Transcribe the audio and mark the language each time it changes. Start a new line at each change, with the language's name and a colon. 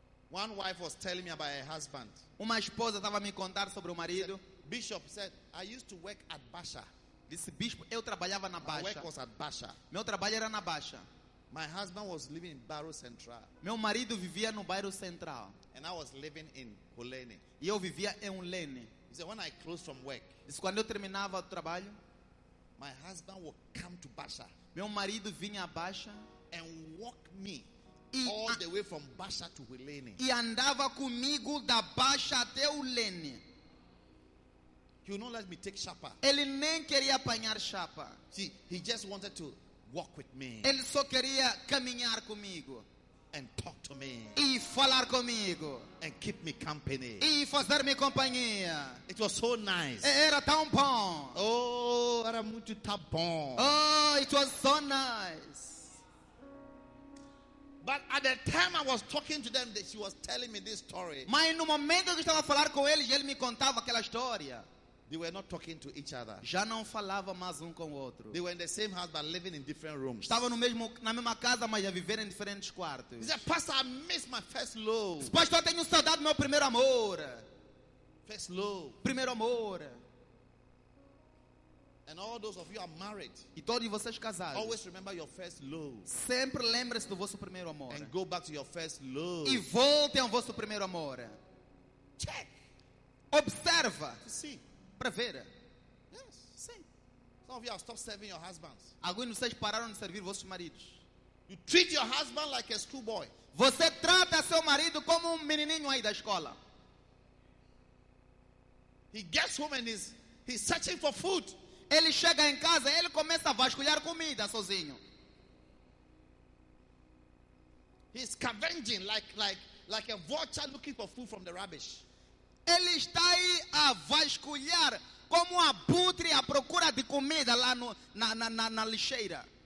English: One wife was telling me about her husband.
Portuguese: Uma esposa estava me contar sobre o marido.
English: Said, Bishop said, I used to work at Baixa.
Portuguese: Disse, bispo, eu trabalhava na Baixa.
English: My work was at Baixa.
Portuguese: Meu trabalho era na Baixa.
English: My husband was living in Bairro Central.
Portuguese: Meu marido vivia no Bairro Central.
English: And I was living in Ulene.
Portuguese: E eu vivia em Ulene.
English: He said, when I closed from work.
Portuguese: Disse, quando eu terminava o trabalho,
English: my husband would come to Baixa.
Portuguese: Meu marido vinha à Baixa
English: and walk me all the way from Baixa to Ulene.
Portuguese: E andava comigo da Baixa até Ulene.
English: You know, let me take chapa.
Portuguese: Ele nem queria apanhar chapa.
English: See, he just wanted to walk with me.
Portuguese: Ele só queria caminhar comigo.
English: And talk to me.
Portuguese: E falar comigo.
English: And keep me company.
Portuguese: E fazer-me companhia.
English: It was so nice.
Portuguese: Era tão bom. Oh, era muito tá bom.
English: Oh, it was so nice. But at the time I was talking to them, she was telling me this story.
Portuguese: Mas no momento que estava a falar com eles, ele me contava aquela história.
English: They were not talking to each other.
Portuguese: Já não falava mais com o outro.
English: They were in the same house but living in different rooms.
Portuguese: Estavam no mesmo na mesma casa, mas já viveram em diferentes quartos.
English: He said, Pastor, I miss my first love.
Portuguese: Pastor, tenho saudade do meu primeiro amor.
English: First love.
Portuguese: Primeiro amor.
English: And all those of you are married.
Portuguese: E todos vocês casados.
English: Always remember your first love.
Portuguese: Sempre lembre-se do vosso primeiro amor.
English: And go back to your first love.
Portuguese: E voltem ao vosso primeiro amor.
English: Check.
Portuguese: Observa.
English: See.
Portuguese: Para ver.
English: Yes.
Portuguese: Sim.
English: Some of you have stopped serving your husbands.
Portuguese: Alguns de vocês pararam de servir vossos maridos.
English: You treat your husband like a schoolboy.
Portuguese: Você trata seu marido como menininho aí da escola.
English: He gets home and he's searching for food.
Portuguese: Ele chega em casa e ele começa a vasculhar comida sozinho.
English: He's scavenging like a vulture looking for food from the rubbish.
Portuguese: Ele está aí a vasculhar como um abutre à procura de comida lá no, na lixeira.